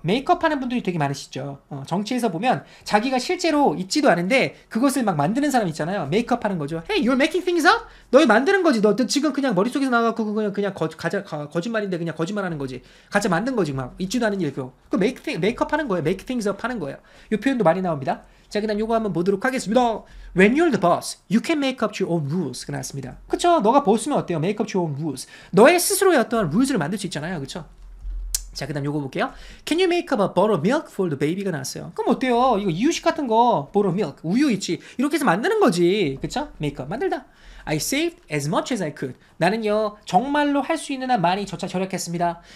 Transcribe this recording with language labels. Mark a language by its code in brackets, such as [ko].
[ko] 메이크업 하는 분들이 되게 많으시죠. 정치에서 보면 자기가 실제로 있지도 않은데 그것을 막 만드는 사람 있잖아요. 메이크업 하는 거죠. [en] Hey, you're making things up? [ko] 너희 만드는 거지. 너 지금 그냥 머릿속에서 나와서 거짓말인데 그냥 거짓말하는 거지. 가짜 만든 거지. 막 있지도 않은 일교. 그 메이크업 하는 거예요. [en] make things up [ko] 하는 거예요. 요 표현도 많이 나옵니다. 자, 그 다음 요거 한번 보도록 하겠습니다. [en] When you're the boss, you can make up your own rules. [ko] 그 나왔습니다. 그쵸? 너가 보스면 어때요? [en] make up your own rules. [ko] 너의 스스로의 어떤 rules를 만들 수 있잖아요. 그쵸? 자, 그 다음 요거 볼게요. [en] Can you make up a bottle of milk for the baby? [ko] 가 나왔어요. 그럼 어때요? 이거 이유식 같은 거. [en] bottle of milk. [ko] 우유 있지. 이렇게 해서 만드는 거지. 그쵸? [en] make up. [ko] 만들다. [en] I saved as much as I could. [ko] 나는요, 정말로 할 수 있는 한 많이 절약했습니다.